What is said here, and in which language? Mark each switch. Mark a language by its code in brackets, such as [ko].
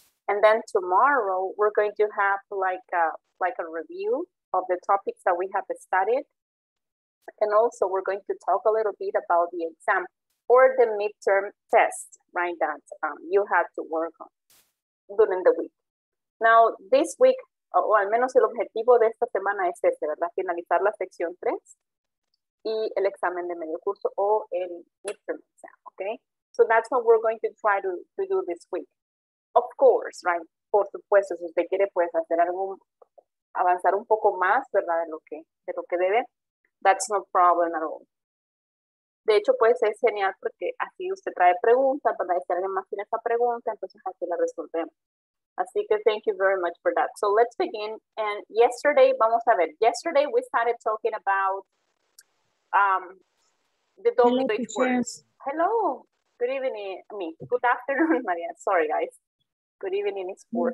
[en] And then tomorrow we're going to have like a review of the topics that we have studied. And also we're going to talk a little bit about the exam or the midterm test, right, that you have to work on during the week. Now, this week, [es] o al menos el objetivo de esta semana es este, ¿verdad? Finalizar la sección 3 y el examen de medio curso o el midterm exam, okay? [en] So that's what we're going to try to do this week. Of course, right? [es] Por supuesto, si usted quiere, pues, hacer algún, avanzar un poco más, ¿verdad? De lo que debe. [en] That's no problem at all. [es] De hecho, pues es genial porque así usted trae preguntas, para si alguien más tiene esa pregunta, entonces así la resolvemos. Así que [en] thank you very much for that. So let's begin. And yesterday, [es] vamos a ver, [en] yesterday we started talking about the double digit words. Hello, good evening. Good afternoon, Maria. Sorry, guys. Good evening, it's 4.